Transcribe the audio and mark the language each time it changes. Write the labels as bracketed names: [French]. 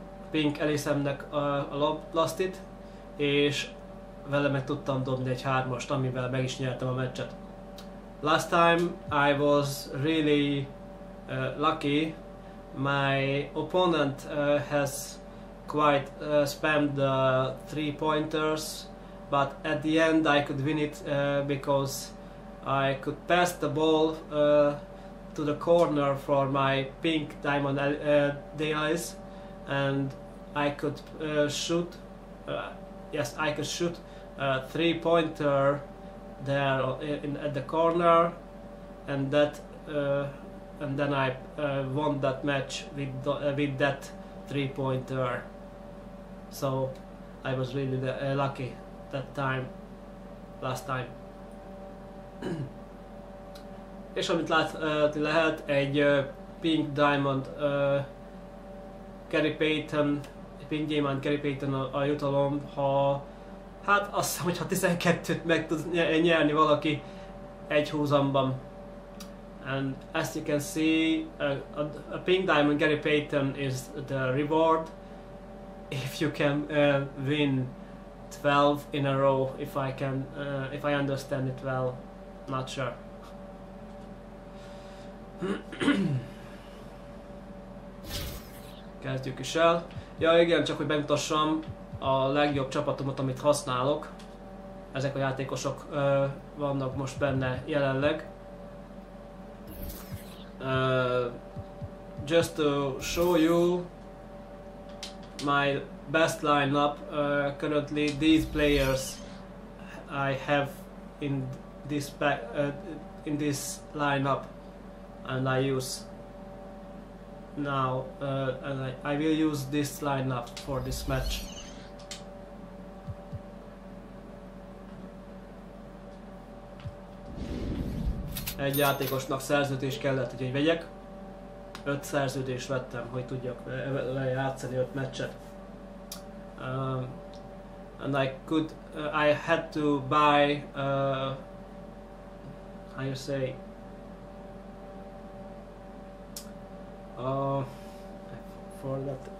[Hungarian] Pink Elisemnek a lastit, és vele meg tudtam dobni egy hármast, amivel meg is nyertem a meccset. [English] Last time I was really lucky. My opponent has quite spammed the three pointers, but at the end I could win it because I could pass the ball to the corner for my pink diamond dailies, and I could shoot. Yes, I could shoot a three pointer there in at the corner, and that. And then I won that match with that three-pointer. So I was really lucky that time, last time. [Hungarian] És amit látni lehet, egy Pink Diamond Gary Payton, Pink Diamond Gary Payton a jutalom, ha hát azt hiszem, hogy ha 12-t meg tud nyerni valaki egy húzamban. [English] And as you can see, a pink diamond Gary Payton is the reward if you can win 12 in a row, if I can, if I understand it well, not sure. [Hungarian] Kezdjük is el. Ja igen, csak hogy bemutassam a legjobb csapatomat, amit használok. Ezek a játékosok vannak most benne jelenleg. [English] Just to show you my best lineup, currently these players I have in this pack, in this lineup, and I use now, and I will use this lineup for this match. [Hungarian] Egy játékosnak szerződést kellett, hogy vegyek. Öt szerződést vettem, hogy tudjak lejátszani öt meccset. [English] And I could, I had to buy, how you say? For that.